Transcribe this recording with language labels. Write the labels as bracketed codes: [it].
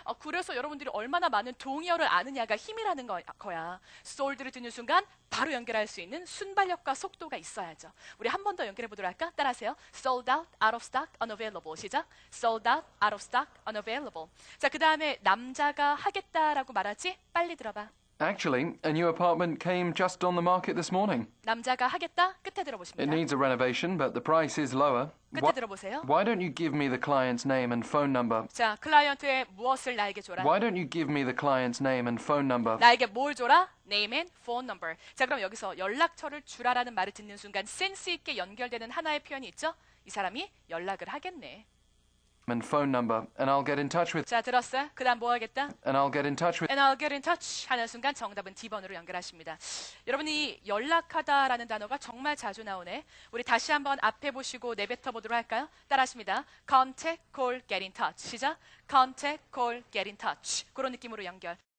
[ko] 그래서 여러분들이 얼마나 많은 동의어를 아느냐가 힘이라는 거야. Sold를 듣는 순간 바로 연결할 수 있는 순발력과 속도가 있어야죠. 우리 한 번 더 연결해 보도록 할까? 따라하세요. [en] Sold out, out of stock, unavailable. [ko] 시작. [en] Sold out, out of stock, unavailable. [ko] 자, 그 다음에 남자가 하겠다라고 말하지? 빨리 들어봐. [en] Actually, a new apartment came just on the market this morning. [ko] 남자가 하겠다? 끝에 들어보십니다. [en] It needs a renovation, but the price is lower. [ko] 끝에 들어보세요. [en] Why don't you give me the client's name and phone number? [ko] 자, 클라이언트의 무엇을 나에게 줘라? [en] Why don't you give me the client's name and phone number? [ko] 나에게 뭘 줘라? [en] Name and phone number. [ko] 자, 그럼 여기서 연락처를 주라라는 말을 듣는 순간 센스 있게 연결되는 하나의 표현이 있죠? 이 사람이 연락을 하겠네. [en] And phone number, and I'll get in touch with. [ko] 자, 들었어요? 그다음 뭐 하겠다? [en] And I'll get in touch with. And I'll get in touch. [ko] 하는 순간 정답은 D번으로 연결하십니다. 여러분이 연락하다라는 단어가 정말 자주 나오네. 우리 다시 한번 앞에 보시고 내뱉어 보도록 할까요? 따라하십니다. [en] Contact, call, get in touch. [ko] 시작. [en] Contact, call, get in touch. [ko] 그런 느낌으로 연결.